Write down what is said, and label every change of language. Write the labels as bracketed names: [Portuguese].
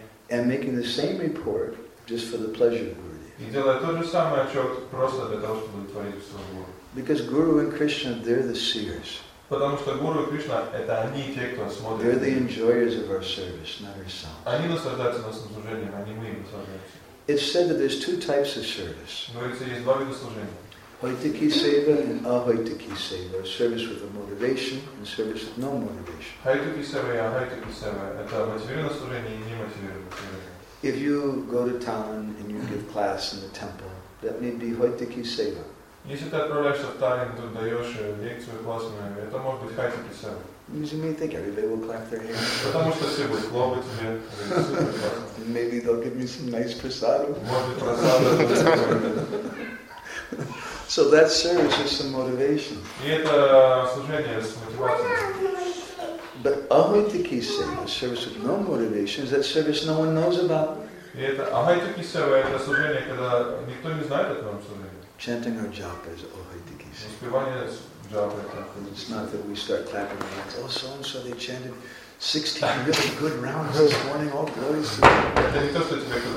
[English] And making the same report just for the pleasure of Gurudev. Because Guru and Krishna, they're the seers. [Russian] Потому что Гуру и Кришна – это они, те, кто смотрит. [English] They're the enjoyers of our service, not ourselves. [Russian] Они наслаждаются нашим служением, а не мы им наслаждаемся. [English] It's said that there's two types of service. [Russian] Говорится, есть два вида служения. [English] Vaitiki seva and ahaitiki seva. Service with a motivation and service with no motivation. [Russian] Haitiki seva и ahaitiki seva – это мотивированное служение и немотивированное служение. [English] If you go to town and you give class in the temple, that may be vaitiki seva. [Russian] Если ты отправляешься в Таллин, то даешь лекцию классную, это может быть хайтики сэм. [English] You may think everybody will clap their hands. [Russian] Потому что все будут хлопать тебе. [English] Super class. Maybe they'll give me some nice prasadu. [Russian] Может быть прасаду. [English] So that service is some motivation. [Russian] И это служение с мотивацией. [English] But ahaitiki sēva, service with no motivation, is that service no one knows about. [Russian] И это ahaitiki sēva, это служение, когда никто не знает о твоем служении. [English] Chanting our japa is ahaitiki seva. It's not that we start clapping our hands. Oh, so and so, they chanted 16 really good rounds this morning, all glories to